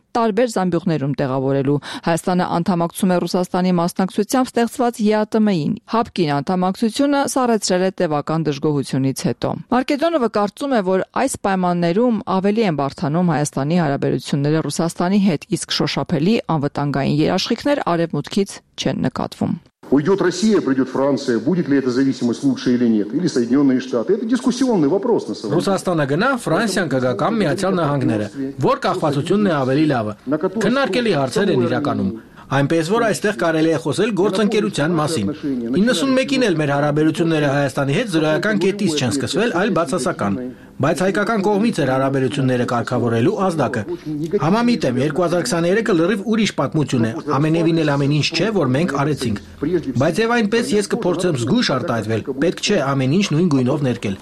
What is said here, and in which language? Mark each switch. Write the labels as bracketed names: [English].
[Armenian] տարբեր զամբյուղներում տեղավորելու։ Հայաստանը անդամակցում է Ռուսաստանի մասնակցությամբ ստեղծված ԵԱՏՄ-ին։ Հապկին անդամակցությունը սառեցրել է տևական դժգոհությունից հետո։ Մարկեդոնովը կարծում է, որ այս պայմաններում ավելի են բարդանում Հայաստանի հարաբերությունները Ռուսաստանի հետ, իսկ շոշափելի անվտանգային երաշխիքներ արևմուտքից չեն նկատվում։ [Russian] Уйдет Россия, придет Франция, будет ли эта зависимость лучше или нет, или Соединенные Штаты. Это дискуссионный вопрос на самом деле. [Armenian] Ռուսաստանը գնա, Ֆրանսիան կգա կամ Միացյալ Նահանգները, որ կախվածությունն է ավելի լավը։ Քննարկելի հարցեր են իրականում։ Այնպես որ այստեղ կարելի է խոսել գործընկերության մասին։ 91-ին էլ մեր հարաբերությունները Հայաստանի հետ զրոյական կետից չեն սկսվել, այլ բացասական։ Բայց հայկական կողմից էր հարաբերությունները կարգավորելու ազդակը։ Համամիտ եմ, 2023-ը լրիվ ուրիշ պատմություն է, ամենևին էլ ամեն ինչ չէ, որ մենք արեցինք։ Բայց եւ այնպես ես կփորձեմ զգույշ արտահայտվել, պետք չէ ամեն ինչ նույն գույնով ներկել։